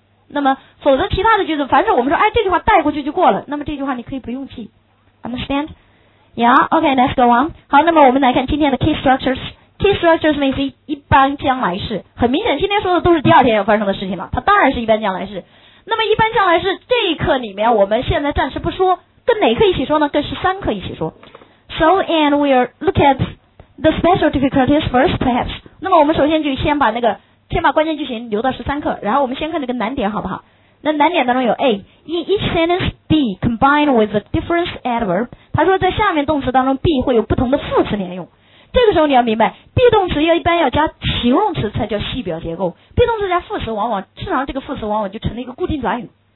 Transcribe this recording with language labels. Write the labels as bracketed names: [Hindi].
[Chinese] 那么否则其他的句子，凡是我们说哎，这句话带过去就过了，那么这句话你可以不用记。 Understand? [English] Yeah, OK, let's go on。好，那么我们来看今天的 key structures。 [Chinese] key structures means 一般将来式，很明显今天说的都是第二天要发生的事情了，它当然是一般将来式。那么一般将来式这一课里面我们现在暂时不说，跟哪课一起说呢？跟13课一起说。 [English] So and we'll look atThe special difficulties first, perhaps. [Chinese] 那么我们首先就先把那个先把关键句型留到13课，然后我们先看那个难点好不好？那难点当中有 A， in each sentence B combined with a different adverb，他说在下面动词当中 B 会有不同的副词连用。这个时候你要明白， B 动词一般要加形容词才叫系表结构， B 动词加副词往往至少这个副词往往就成了一个固定短语。